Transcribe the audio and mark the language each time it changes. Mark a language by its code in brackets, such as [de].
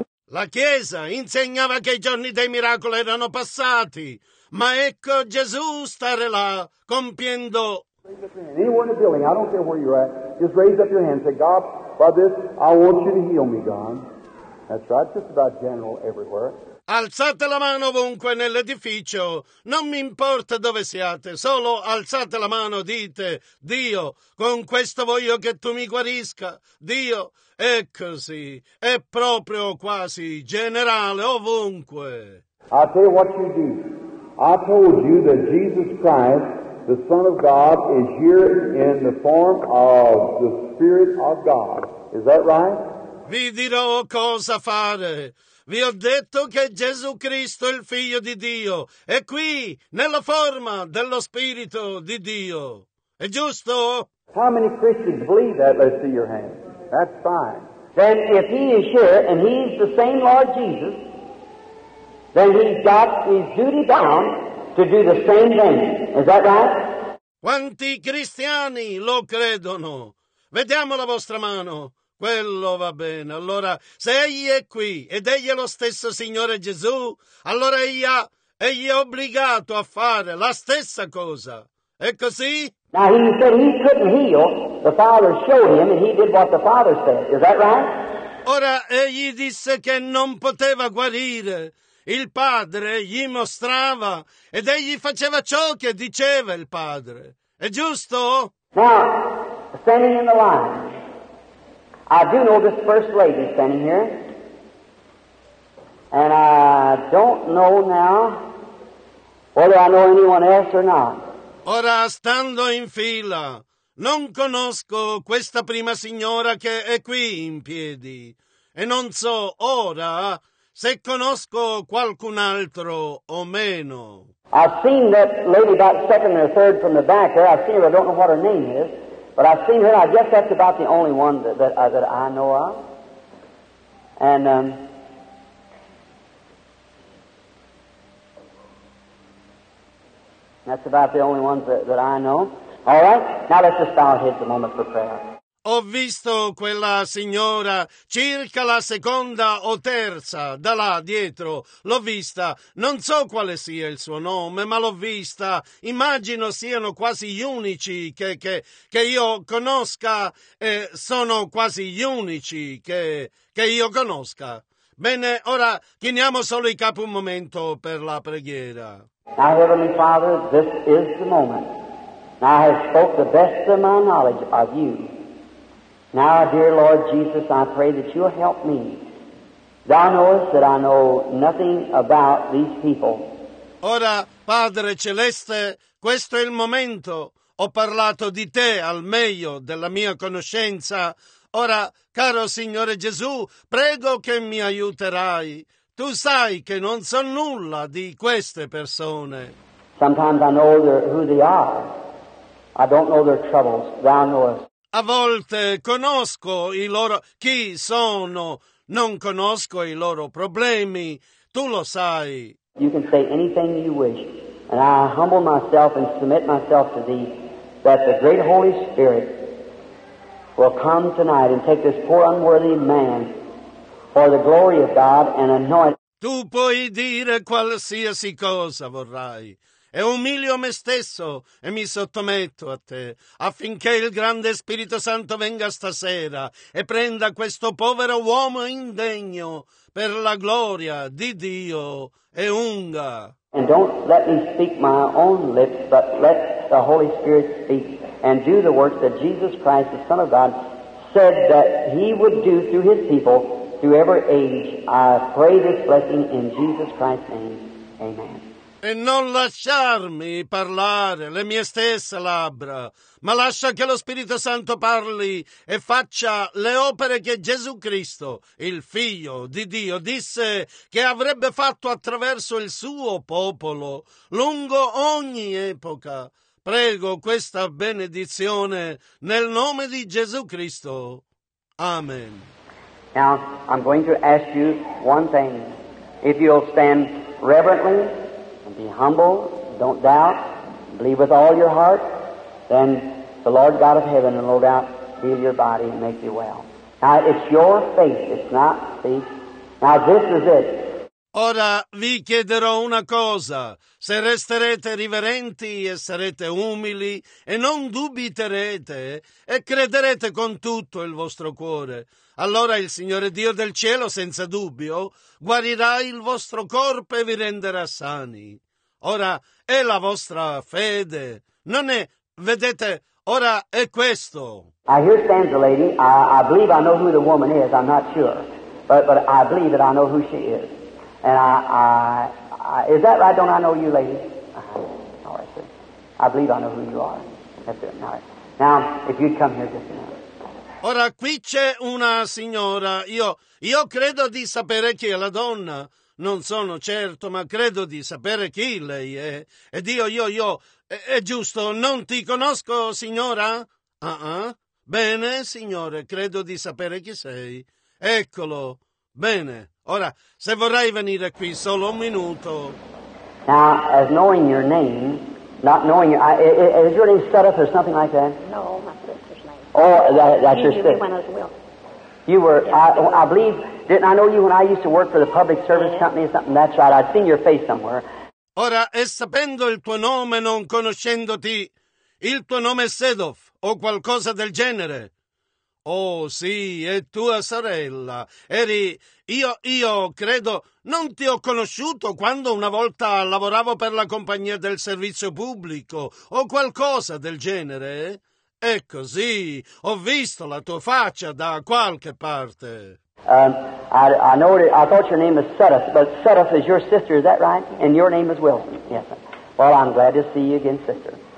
[it] La Chiesa insegnava che i giorni dei miracoli erano passati, ma ecco Gesù stare là, compiendo... [en] Anywhere in the building, I don't care where you're at, just raise up your hand and say, God, by this, I want you to heal me, God. That's right, just about general everywhere. [it] Alzate la mano ovunque nell'edificio, non mi importa dove siate, solo alzate la mano, dite, Dio, con questo voglio che tu mi guarisca, Dio, è così, è proprio quasi generale ovunque. [en] I'll tell you what you do. I told you that Jesus Christ, the Son of God, is here in the form of the Spirit of God. Is that right? [it] Vi dirò cosa fare. Vi ho detto che Gesù Cristo, il Figlio di Dio, è qui nella forma dello Spirito di Dio. È giusto? [en] How many Christians believe that? Let's see your hand. That's fine. Then if he is here and he's the same Lord Jesus, then he's got his duty bound to do the same thing. Is that right? [it] Quanti cristiani lo credono? Vediamo la vostra mano. Quello va bene. Allora, se egli è qui ed egli è lo stesso Signore Gesù, allora egli è obbligato a fare la stessa cosa. È così? [en] Now he said he couldn't heal. The Father showed him and he did what the Father said. Is that right? [it] Ora egli disse che non poteva guarire. Il Padre gli mostrava ed egli faceva ciò che diceva il Padre. È giusto? [en] Now, standing in the line, I do know this first lady standing here. And I don't know now whether I know anyone else or not. [it] Ora, stando in fila, non conosco questa prima signora che è qui in piedi. E non so ora se conosco qualcun altro o meno. [en] I've seen that lady about second or third from the back there. I've seen her, I don't know what her name is. But I've seen her, and I guess that's about the only one that I know of. And, that's about the only ones that I know. All right, now let's just bow our heads a moment for prayer. [it] Ho visto quella signora circa la seconda o terza, da là dietro. L'ho vista. Non so quale sia il suo nome, ma l'ho vista. Immagino siano quasi gli unici che io conosca. Sono quasi gli unici che io conosca. Bene, ora chiniamo solo i capi un momento per la preghiera. [en] Now, Heavenly Father, this is the moment. Now, I have spoke the best of my knowledge of you. Now, dear Lord Jesus, I pray that you'll help me. Thou knowest that I know nothing about these people. [it] Ora, Padre Celeste, questo è il momento. Ho parlato di te al meglio della mia conoscenza. Ora, caro Signore Gesù, prego che mi aiuterai. Tu sai che non so nulla di queste persone. [en] Sometimes I know who they are. I don't know their troubles. Thou knowest. [it] A volte conosco i loro chi sono, non conosco i loro problemi, tu lo sai. [en] You can say anything you wish, and I humble myself and submit myself to thee, that the great Holy Spirit will come tonight and take this poor unworthy man for the glory of God and anoint. [it] Tu puoi dire qualsiasi cosa vorrai. E umilio me stesso e mi sottometto a te, affinché il grande Spirito Santo venga stasera e prenda questo povero uomo indegno per la gloria di Dio e unga. [en] And don't let me speak my own lips, but let the Holy Spirit speak and do the work that Jesus Christ, the Son of God, said that he would do through his people through every age. I pray this blessing in Jesus Christ's name. Amen. [it] E non lasciarmi parlare le mie stesse labbra, ma lascia che lo Spirito Santo parli e faccia le opere che Gesù Cristo, il Figlio di Dio, disse che avrebbe fatto attraverso il suo popolo, lungo ogni epoca. Prego questa benedizione nel nome di Gesù Cristo. Amen. [en] Now, I'm going to ask you one thing. If you'll stand reverently, be humble, don't doubt, believe with all your heart, then the Lord God of heaven will no doubt heal your body and make you well. Now, it's your faith, it's not faith. Now, this is it. [it] Ora vi chiederò una cosa. Se resterete riverenti e sarete umili e non dubiterete e crederete con tutto il vostro cuore, allora il Signore Dio del cielo, senza dubbio, guarirà il vostro corpo e vi renderà sani. Ora è la vostra fede. Non è, vedete, ora è questo. [en] I hear stands a lady. I believe I know who the woman is. I'm not sure. But I believe that I know who she is. And I is that right? Don't I know you, lady? All right, sir. I believe I know who you are. That's it. All right. Now, if you'd come here just a minute. [it] Ora, qui c'è una signora. Io credo di sapere chi è la donna. Non sono certo, ma credo di sapere chi lei è. Ed io, è giusto, non ti conosco, signora? Bene, signore, credo di sapere chi sei. Eccolo. Bene. Ora, se vorrai venire qui solo un minuto. [en] Now, as knowing your name, Not knowing you. Is your name Sudduth or something like that? No, my sister's name. Oh, that's your sister. He went as well. You were, yes, I believe, didn't I know you when I used to work for the public service company or something? That's right, I'd seen your face somewhere. [it] Ora, e sapendo il tuo nome, non conoscendoti, il tuo nome è Sudduth o qualcosa del genere? Oh, sì, è tua sorella. Eri, io credo, non ti ho conosciuto quando una volta lavoravo per la compagnia del servizio pubblico o qualcosa del genere? È così, ho visto la tua faccia da qualche parte. [en] I thought your name was Sudduth, but Sudduth is your sister, is that right? And your name is Wilson, yes. Well, I'm glad to see you again, sister.